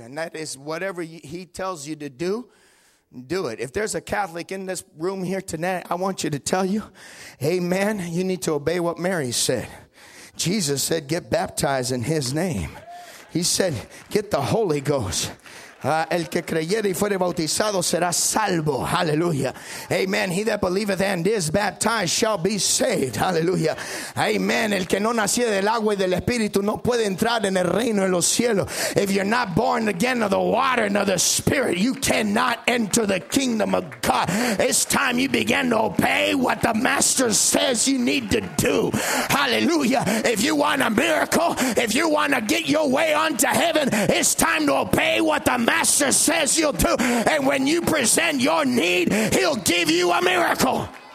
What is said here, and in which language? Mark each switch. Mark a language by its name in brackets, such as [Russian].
[English] And that is whatever he tells you to do, do it. If there's a Catholic in this room here tonight, I want you to tell you, amen, you need to obey what Mary said. Jesus said, get baptized in his name. He said, get the Holy Ghost. [Spanish] El que creyere y fuere bautizado será salvo. [English] Hallelujah. Amen. He that believeth and is baptized shall be saved. Hallelujah. Amen. [Spanish] El que no naciere del agua y del espíritu no puede entrar en el reino de los cielos. [English] If you're not born again of the water and of the spirit, you cannot enter the kingdom of God. It's time you begin to obey what the master says you need to do. Hallelujah. If you want a miracle, if you want to get your way onto heaven, it's time to obey what the master says you'll do, and when you present your need, he'll give you a miracle.